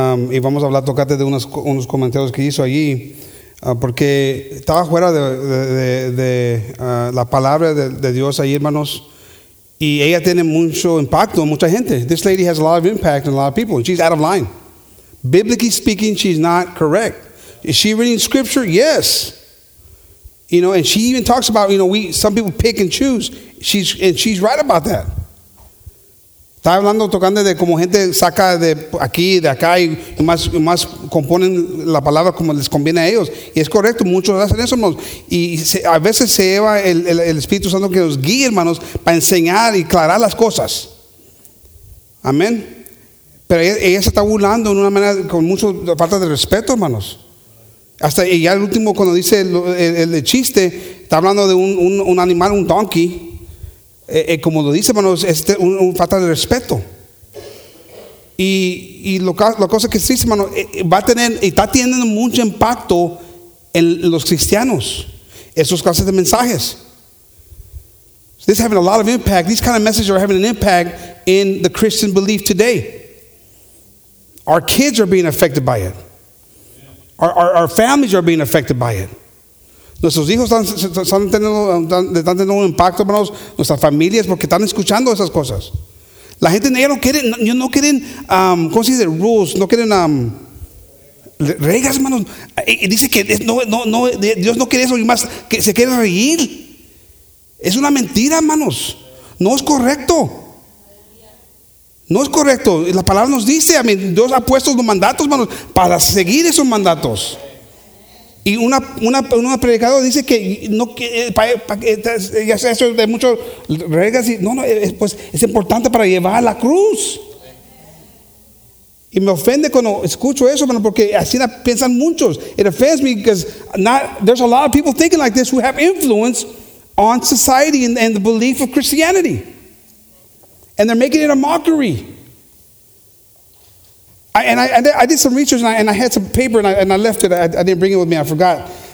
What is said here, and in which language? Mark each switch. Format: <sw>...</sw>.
<es>Y vamos a hablar, tocarte de unos comentarios que hizo allí. Porque estaba fuera de la palabra de Dios allí, hermanos. Y ella tiene mucho impacto en mucha gente.</es> <en>This lady has a lot of impact on a lot of people. She's out of line. Biblically speaking, she's not correct. Is she reading scripture? Yes. You know, and she even talks about, you know, some people pick and choose. She's right about that.</en> <es>Está hablando, tocando de como gente saca de aquí, de acá, y más componen la palabra como les conviene a ellos. Y es correcto, muchos hacen eso, hermanos. Y a veces se lleva el Espíritu Santo que nos guíe, hermanos, para enseñar y aclarar las cosas. Amén. Pero ella se está burlando de una manera con mucha falta de respeto, hermanos. Hasta ya el último cuando dice el chiste, está hablando de un animal, un donkey. Como lo dice, hermanos, es un falta de respeto. Y lo cosa que dice, hermano, va a tener y está teniendo mucho impacto en los cristianos. Esos clases de mensajes.</es> <en>So this is having a lot of impact. These kind of messages are having an impact in the Christian belief today. Our kids are being affected by it. Our families are being affected by it.</en> <es>Nuestros hijos están teniendo un impacto, hermanos. Nuestras familias, porque están escuchando esas cosas. La gente no quiere, ¿cómo se dice? Rules, no quieren reglas, hermanos. Y dice que no, Dios no quiere eso, y más que se quiere reír. Es una mentira, hermanos. No es correcto. No es correcto. La palabra nos dice, Dios ha puesto los mandatos, hermanos, para seguir esos mandatos. Y una predicadora dice que no ya sea eso de muchas reglas y pues es importante para llevar la cruz. Y me ofende cuando escucho eso, hermano, porque así la piensan muchos.</es> <en>It offends me because there's a lot of people thinking like this who have influence on society and the belief of Christianity. And they're making it a mockery. I did some research and I had some paper and I left it. I didn't bring it with me. I forgot.</en>